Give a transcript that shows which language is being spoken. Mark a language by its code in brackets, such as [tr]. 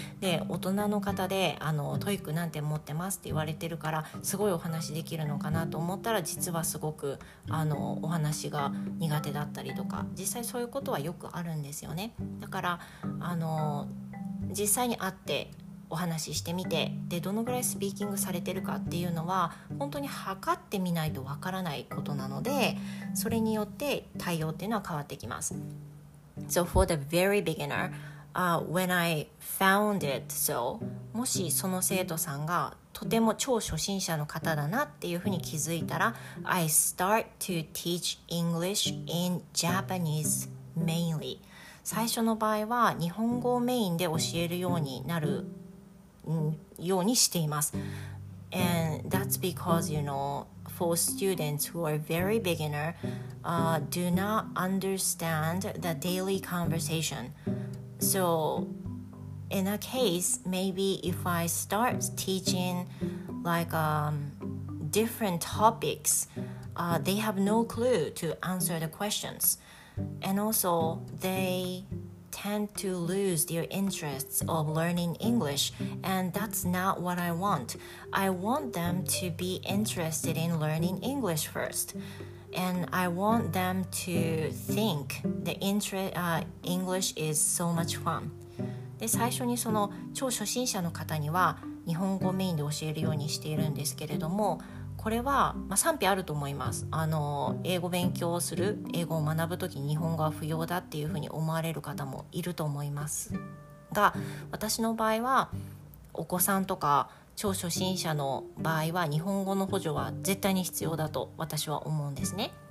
[ja] で大人の方であのトイックなんて持ってますって言われてるから、すごいお話できるのかなと思ったら、実はすごくあのお話が苦手だったりとか、実際そういうことはよくあるんですよね。だからあの実際に会ってお話ししてみて、でどのぐらいスピーキングされてるかっていうのは本当に測ってみないとわからないことなので、それによって対応っていうのは変わってきます。 [en] So for the very beginner when I found it, so [ja] もしその生徒さんがとても超初心者の方だなっていうふうに気づいたら、 [en] I start to teach English in Japanese mainly。 [ja] 最初の場合は日本語をメインで教えるようになるようにしています。 [en] And that's because, you know, for students who are very beginner, do not understand the daily conversation. So, in that case, maybe if I start teaching like different topics, they have no clue to answer the questions. And also, they tend to lose their interests of learning English. And that's not what I want. I want them to be interested in learning English first. And I want them to think the English is so much fun. [ja] で、最初にその超初心者の方には日本語をメインで教えるようにしているんですけれども、これは、まあ、賛否あると思います。あの英語勉強をする、英語を学ぶとき日本語は不要だっていうふうに思われる方もいると思いますが、私の場合はお子さんとか超初心者の場合は日本語の補助は絶対に必要だと私は思うんですね。